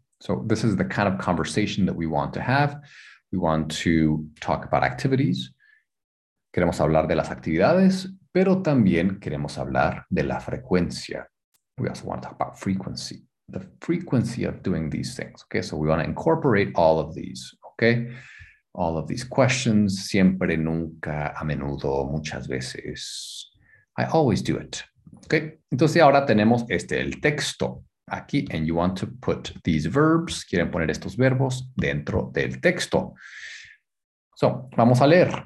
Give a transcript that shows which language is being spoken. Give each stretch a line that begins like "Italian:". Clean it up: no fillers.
English: So this is the kind of conversation that we want to have. We want to talk about activities.
Spanish: Queremos hablar de las actividades, pero también queremos hablar de la frecuencia.
English: We also want to talk about frequency, the frequency of doing these things. Okay, so we want to incorporate all of these, okay? All of these questions,
Spanish: siempre, nunca, a menudo, muchas veces.
English: I always do it, okay?
Spanish: Entonces ahora tenemos este, el texto aquí,
English: and you want to put these verbs,
Spanish: quieren poner estos verbos dentro del texto.
English: So,
Spanish: vamos a leer.